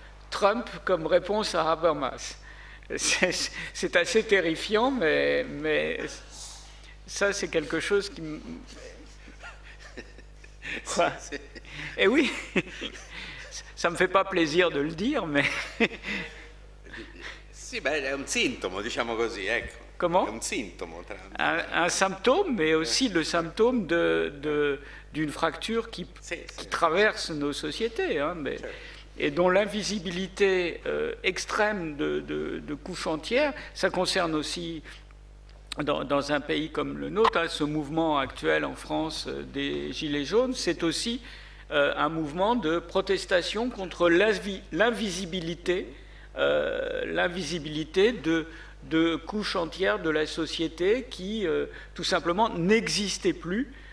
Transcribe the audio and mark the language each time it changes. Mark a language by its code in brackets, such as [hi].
[fr] Trump comme réponse à Habermas. C'est assez terrifiant, mais ça, c'est quelque chose qui... Quoi ? Eh oui ! Ça ne me fait pas plaisir de le dire, mais... [it] Sì, beh, è un sintomo, diciamo così, ecco. [fr] Comment? [it] È un sintomo. Tra... [fr] Un symptôme, mais aussi le symptôme d'une fracture qui traverse nos sociétés, hein, mais... [it] Certo. [fr] Et dont l'invisibilité extrême de couches entières, ça concerne aussi, dans un pays comme le nôtre, hein, ce mouvement actuel en France des Gilets jaunes, c'est aussi un mouvement de protestation contre l'invisibilité de couches entières de la société qui, tout simplement, n'existait plus.